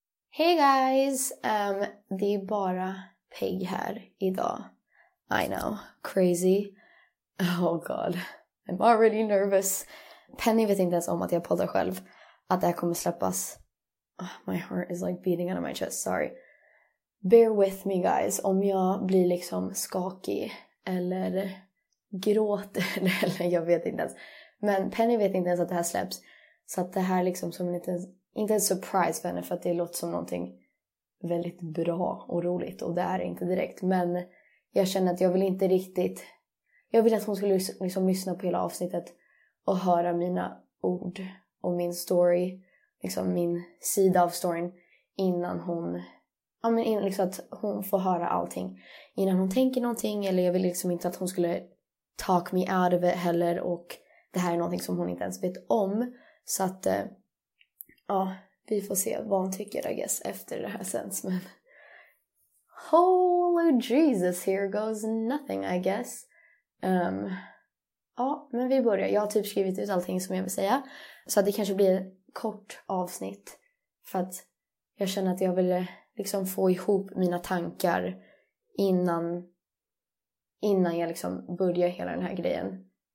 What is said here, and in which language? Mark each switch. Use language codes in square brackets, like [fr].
[en] Hey guys! [sv] Det är bara Peg här idag. [en] I know. Crazy. Oh god. I'm already nervous. [sv] Penny vet inte ens om att jag poddar själv. Att det här kommer släppas. [en] Oh, my heart is like beating out of my chest. Sorry. Bear with me guys. [sv] Om jag blir liksom skakig. Eller gråter, eller jag vet inte ens. Men Penny vet inte ens att det här släpps. Så att det här liksom som en liten, inte en surprise för henne, för att det låter som någonting väldigt bra och roligt. Och det är inte direkt. Men jag känner att jag vill inte riktigt, jag vill att hon skulle liksom lyssna på hela avsnittet och höra mina ord och min story, liksom min sida av storyn, innan hon, ja men liksom att hon får höra allting innan hon tänker någonting. Eller jag vill liksom inte att hon skulle [en] talk me out of it [sv] heller, och det här är någonting som hon inte ens vet om. Så att ja, vi får se vad hon tycker, [en] I guess, [sv] efter det här sen. [en] Men holy Jesus, here goes nothing, I guess. [sv] Ja, men vi börjar. Jag har typ skrivit ut allting som jag vill säga. Så att det kanske blir ett kort avsnitt. För att jag känner att jag vill liksom få ihop mina tankar innan jag liksom börjar hela den här grejen.